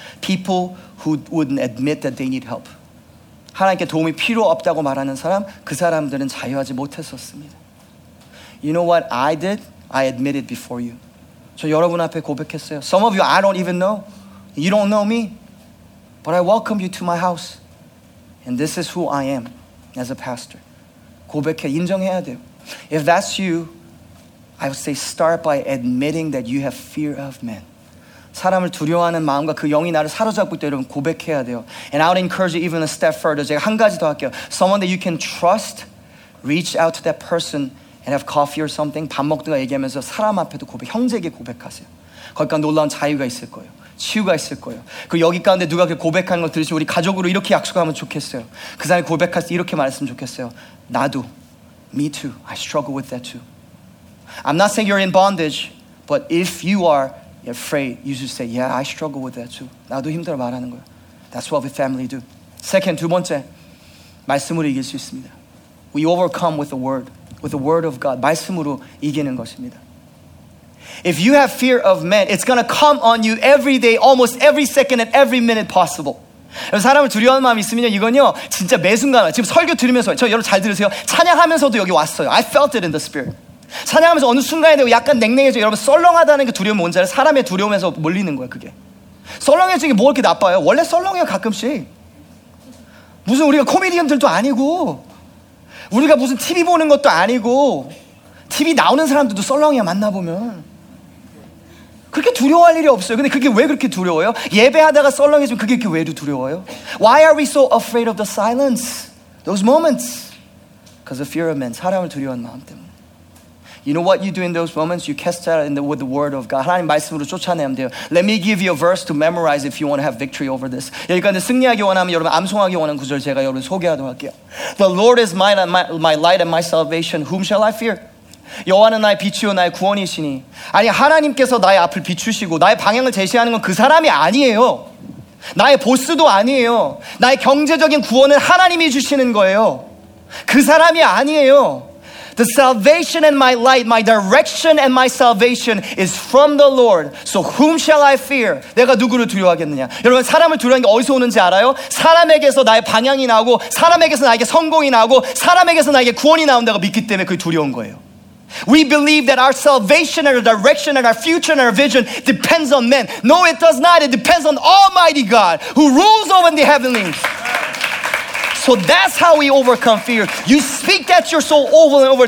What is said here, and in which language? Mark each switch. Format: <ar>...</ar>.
<en>People who wouldn't admit that they need help.</en> <ko>하나님께 도움이 필요 없다고 말하는 사람, 그 사람들은 자유하지 못했었습니다.</ko> <en>You know what I did? I admitted before you.</en> <ko>저 여러분 앞에 고백했어요.</ko> <en>Some of you I don't even know. You don't know me. But I welcome you to my house. And this is who I am as a pastor.</en> <ko>고백해 인정해야 돼요.</ko> <en>If that's you, I would say start by admitting that you have fear of men.</en> <ko>사람을 두려워하는 마음과 그 영이 나를 사로잡고 있다 여러분 고백해야 돼요.</ko> <en>And I would encourage you even a step further.</en> <ko>제가 한 가지 더 할게요.</ko> <en>Someone that you can trust, reach out to that person and have coffee or something,</en> <ko>밥 먹든가 얘기하면서 사람 앞에도 고백, 형제에게 고백하세요. 거기까지 놀라운 자유가 있을 거예요. 치유가 있을 거예요. 그 여기 가운데 누가 그 고백하는 걸 들으시면 우리 가족으로 이렇게 약속하면 좋겠어요. 그 사람이 고백할 때 이렇게 말했으면 좋겠어요. 나도,</ko> <en>me too, I struggle with that too. I'm not saying you're in bondage, but if you are afraid, you should say, yeah, I struggle with that too.</en> <ko>나도 힘들어 말하는 거예요.</ko> <en>That's what we family do. Second,</en> <ko>두 번째, 말씀으로 이길 수 있습니다.</ko> <en>We overcome with the word. With the word of God,</en> <ko>말씀으로 이기는 것입니다.</ko> <en>If you have fear of men, it's going to come on you every day, almost every second and every minute possible.</en> <ko>사람을 두려워하는 마음이 있으면 이건요, 진짜 매 순간, 지금 설교 들으면서, 저 여러분 잘 들으세요. 찬양하면서도 여기 왔어요.</ko> <en>I felt it in the spirit.</en> <ko>찬양하면서 어느 순간에 되고 약간 냉랭해져. 여러분 썰렁하다는 게 두려움이 뭔지 알아요? 사람의 두려움에서 몰리는 거예요, 그게. 썰렁해지는 게 뭐 이렇게 나빠요? 원래 썰렁해요, 가끔씩. 무슨 우리가 코미디언들도 아니고. 우리가 무슨 TV 보는 것도 아니고 TV 나오는 사람들도 썰렁해요 만나보면 그렇게 두려워할 일이 없어요 근데 그게 왜 그렇게 두려워요? 예배하다가 썰렁해지면 그게 그렇게 왜 두려워요?</ko> <en>Why are we so afraid of the silence? Those moments because of fear of men</en> <ko>사람을 두려워하는 마음 때문에</ko> <en>You know what you do in those moments? You cast out in the, with the word of God.</en> <ko>하나님 말씀으로 쫓아내면 돼요.</ko> <en>Let me give you a verse to memorize if you want to have victory over this.</en> <ko>여기까지 승리하기 원하면 여러분 암송하기 원하는 구절 제가 여러분 소개하도록 할게요.</ko> <en>The Lord is mine and my light and my salvation. Whom shall I fear?</en> <ko>여호와는 나의 빛이요 나의 구원이시니. 아니 하나님께서 나의 앞을 비추시고 나의 방향을 제시하는 건 그 사람이 아니에요. 나의 보스도 아니에요. 나의 경제적인 구원은 하나님이 주시는 거예요. 그 사람이 아니에요.</ko> <en>The salvation and my light, my direction and my salvation is from the Lord. So whom shall I fear?</en> <ko>내가 누구를 두려워하겠느냐? 여러분 사람을 두려워하는 게 어디서 오는지 알아요? 사람에게서 나의 방향이 나오고 사람에게서 나에게 성공이 나오고 사람에게서 나에게 구원이 나온다고 믿기 때문에 그게 두려운 거예요.</ko> <en>We believe that our salvation and our direction and our future and our vision depends on men. No, it does not. It depends on Almighty God who rules over the heavenlies. So that's how we overcome fear. You speak that your soul over and over.</en>